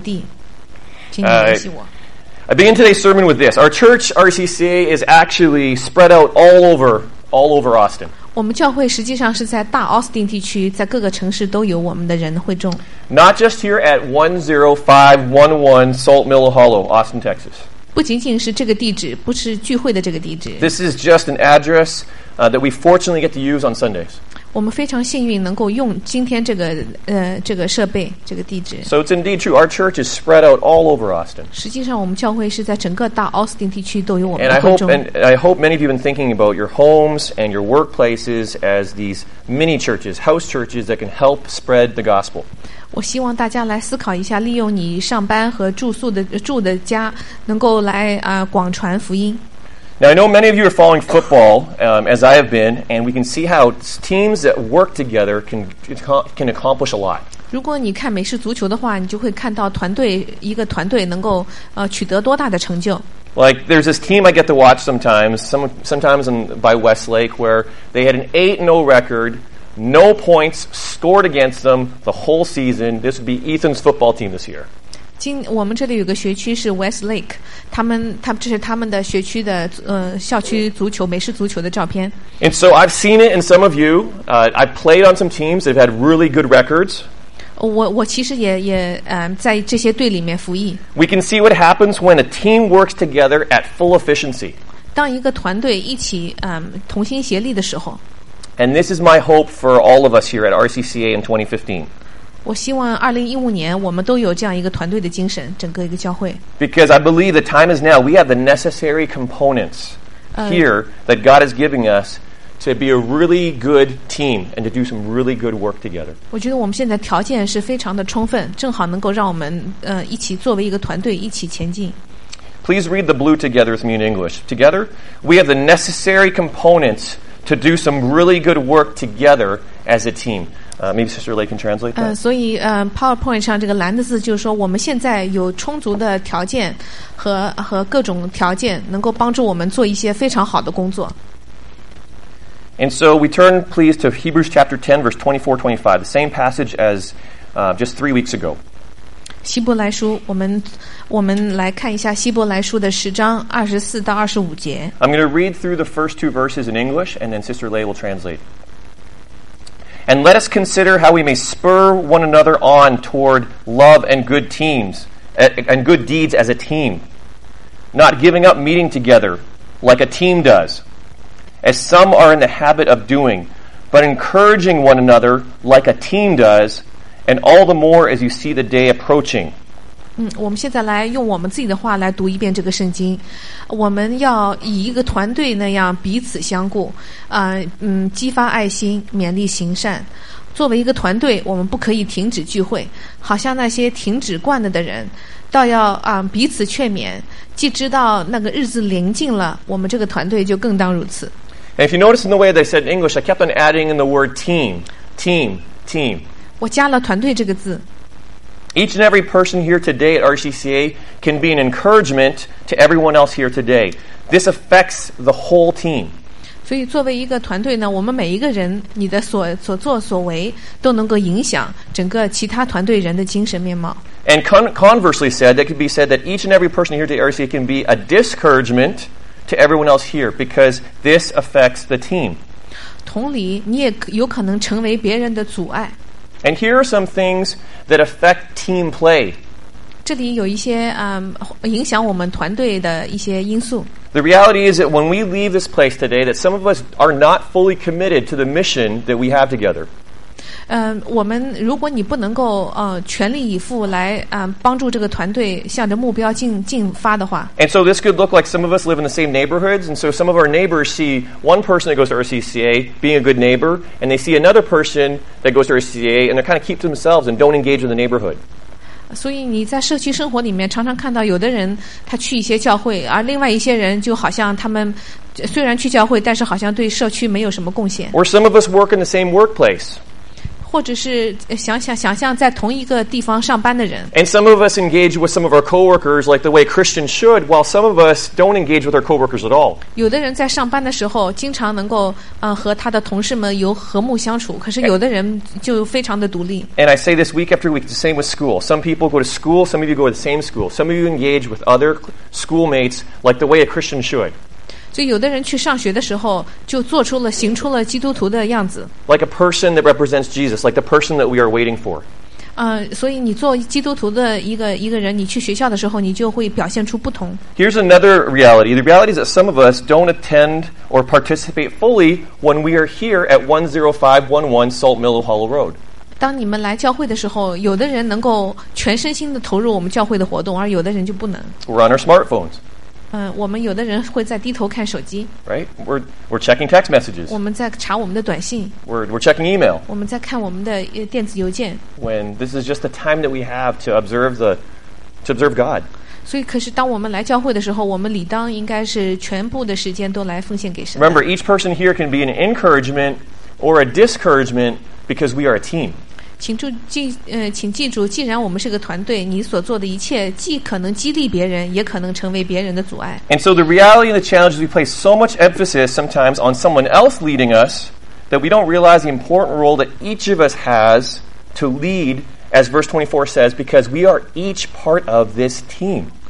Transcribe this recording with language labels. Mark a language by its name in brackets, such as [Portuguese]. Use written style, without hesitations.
[Chinese] 如果你想帮助我给我们一个圣诞礼物的话呢，请来联系我，让我们利用圣诞假期去打扫那块地。请你联系我。 [English] I begin today's sermon with this. Our church, RCCA, is actually spread out all over Austin. [Chinese] 我们教会实际上是在大 Austin 地区，在各个城市都有我们的人会众。 [English] Not just here at 10511 Salt Mill Hollow, Austin, Texas. [Chinese] 不仅仅是这个地址，不是聚会的这个地址。 [English] This is just an address that we fortunately get to use on Sundays. [Chinese] 我们非常幸运能够用今天这个这个设备这个地址。 [English] So it's indeed true. Our church is spread out all over Austin. [Chinese] 实际上，我们教会是在整个大奥斯汀地区都有我们的会众。 [English] And I hope many of you have been thinking about your homes and your workplaces as these mini churches, house churches that can help spread the gospel. [Chinese] 我希望大家来思考一下，利用你上班和住宿的住的家，能够来广传福音。 [English] Now, I know many of you are following football, as I have been, and we can see how teams that work together can accomplish a lot. [Chinese] 如果你看美式足球的话，你就会看到团队，一个团队能够取得多大的成就。 [English] Like, there's this team I get to watch sometimes by Westlake, where they had an 8-0 record, no points scored against them the whole season. This would be Ethan's football team this year. [Chinese] 我们这里有个学区是 Westlake， 这是他们的学区的校区足球美式足球的照片。 [English] And so I've seen it in some of you. I played on some teams. They've had really good records. [Chinese] 我其实也在这些队里面服役。 [English] We can see what happens when a team works together at full efficiency. [Chinese] 当一个团队一起同心协力的时候。 [English] And this is my hope for all of us here at RCCA in 2015. [Chinese] 我希望2015年我们都有这样一个团队的精神，整个一个教会。 [English] Because I believe the time is now. We have the necessary components here that God is giving us to be a really good team and to do some really good work together. [Chinese] 我觉得我们现在条件是非常的充分，正好能够让我们一起作为一个团队一起前进。 [English] Please read the blue together with me in English. Together, we have the necessary components to do some really good work together as a team. Maybe Sister Lay can translate that. [Chinese] 所以PowerPoint 上这个蓝的字就是说，我们现在有充足的条件和各种条件，能够帮助我们做一些非常好的工作。 [English] And so we turn, please, to Hebrews chapter 10, verse 24-25, the same passage as just 3 weeks ago. [Chinese] 希伯来书，我们来看一下希伯来书的10:24-25. [English] I'm going to read through the first two verses in English, and then Sister Lay will translate. And let us consider how we may spur one another on toward love and good teams, and good deeds as a team. Not giving up meeting together, like a team does, as some are in the habit of doing, but encouraging one another, like a team does, and all the more as you see the day approaching. [Chinese] 我们现在来用我们自己的话来读一遍这个圣经。我们要以一个团队那样彼此相顾，激发爱心，勉励行善。作为一个团队，我们不可以停止聚会，好像那些停止惯了的人，倒要彼此劝勉。既知道那个日子临近了，我们这个团队就更当如此。 [English] And if you notice in the way they said in English, I kept on adding in the word team, team, team. [Chinese] 我加了团队这个字。 [English] Each and every person here today at RCCA can be an encouragement to everyone else here today. This affects the whole team. [Chinese] 所以作为一个团队呢，我们每一个人，你的所作所为都能够影响整个其他团队人的精神面貌。 [English] And conversely said, that could be said that each and every person here today at RCCA can be a discouragement to everyone else here because this affects the team. [Chinese] 同理，你也有可能成为别人的阻碍。 [English] And here are some things that affect team play. [Chinese] 这里有一些影响我们团队的一些因素。 [English] The reality is that when we leave this place today, that some of us are not fully committed to the mission that we have together. [Chinese] 我们如果你不能够全力以赴来帮助这个团队向着目标进发的话。 [English] And so this could look like some of us live in the same neighborhoods, and so some of our neighbors see one person that goes to RCCA being a good neighbor, and they see another person that goes to RCCA, and they kind of keep to themselves and don't engage in the neighborhood. [Chinese] 所以你在社区生活里面常常看到有的人他去一些教会，而另外一些人就好像他们虽然去教会，但是好像对社区没有什么贡献。 [English] Or some of us work in the same workplace. [Chinese] 或者是想象在同一个地方上班的人。 [English] And some of us engage with some of our coworkers like the way Christians should, while some of us don't engage with our coworkers at all. [Chinese] 有的人在上班的时候经常能够和他的同事们有和睦相处，可是有的人就非常的独立。 [English] And I say this week after week, the same with school. Some people go to school, some of you go to the same school. Some of you engage with other schoolmates like the way a Christian should. [Chinese] 所以有的人去上学的时候就做出了行出了基督徒的样子 [English] like a person that represents Jesus like the person that we are waiting for [Chinese] 所以你做基督徒的一个人，你去学校的时候，你就会表现出不同。 [English] Here's another reality. The reality is that some of us don't attend or participate fully when we are here at 10511 Salt Mill Hollow Road. [Chinese] 当你们来教会的时候，有的人能够全身心的投入我们教会的活动，而有的人就不能。 [English] We're on our smartphones. [Chinese] 我们有的人会在低头看手机。 [English] Right? We're checking text messages. [Chinese] 我们在查我们的短信。 [English] We're checking email. [Chinese] 我们在看我们的电子邮件。 [English] When this is just the time that we have to observe God. [Chinese] 所以，可是当我们来教会的时候，我们理当应该是全部的时间都来奉献给神。 [English] Remember, each person here can be an encouragement or a discouragement because we are a team. [Chinese] 请记住，既然我们是个团队，你所做的一切既可能激励别人，也可能成为别人的阻碍。 [English] And so the reality and the challenge is we place so much emphasis sometimes on someone else leading us that we don't realize the important role that each of us has to lead, as verse 24 says, because we are each part of this team.